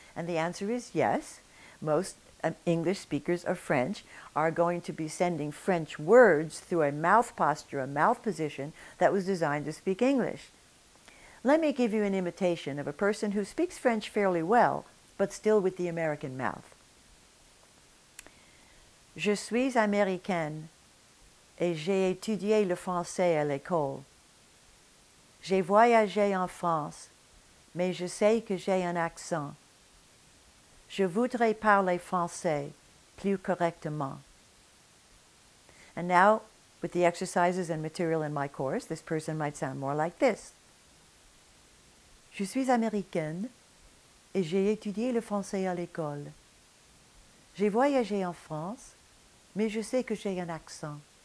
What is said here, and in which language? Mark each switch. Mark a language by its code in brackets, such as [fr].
[en] And the answer is yes. Most English speakers of French are going to be sending French words through a mouth posture, a mouth position that was designed to speak English. Let me give you an imitation of a person who speaks French fairly well, but still with the American mouth. [fr] Je suis américaine et j'ai étudié le français à l'école. J'ai voyagé en France, mais je sais que j'ai un accent. Je voudrais parler français plus correctement. [en] And now, with the exercises and material in my course, this person might sound more like this. [fr] Je suis américaine et j'ai étudié le français à l'école. J'ai voyagé en France, mais je sais que j'ai un accent.